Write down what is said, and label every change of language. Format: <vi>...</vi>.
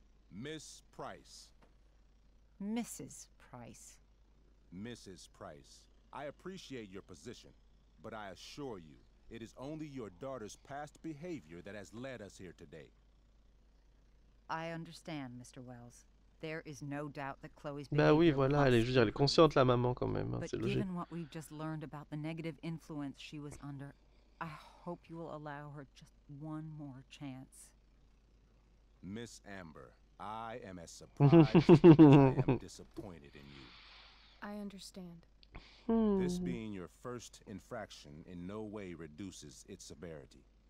<en>Miss Price. Mrs. Price. Mrs. Price, I appreciate your position, but I assure you, it is only your daughter's past behavior that has led us here today. I understand, Mr. Wells. There is no doubt that Chloe's behavior.</en> <fr>Bah oui, voilà, elle est consciente, la maman, quand même, hein, c'est logique.</fr> <en>But given what we've just learned about the negative influence she was under, I hope you will allow her just one more chance. Miss Amber, I am as surprised as I am disappointed in you. I understand. This being your first infraction in no way reduces its severity.</en>